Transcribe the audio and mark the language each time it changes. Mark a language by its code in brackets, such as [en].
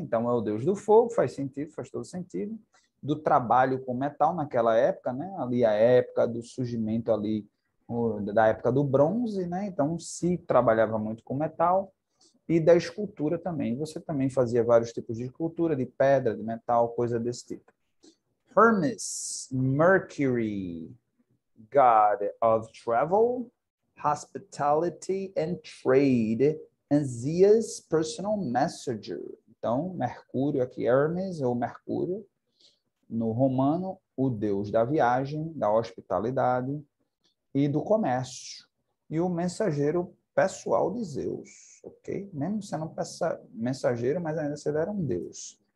[pt] Então, é o deus do fogo, faz sentido, faz todo sentido. Do trabalho com metal naquela época, né? Ali a época do surgimento ali, da época do bronze, né? Então se trabalhava muito com metal e da escultura também. Você também fazia vários tipos de escultura, de pedra, de metal, coisa desse tipo. [en] Hermes, Mercury, god of travel, hospitality and trade, and Zeus' personal messenger. [pt] Então, Mercúrio aqui, Hermes ou Mercúrio, no romano, o deus da viagem, da hospitalidade e do comércio, e o mensageiro pessoal de Zeus, ok? Mesmo sendo mensageiro, mas ainda se ele era um deus.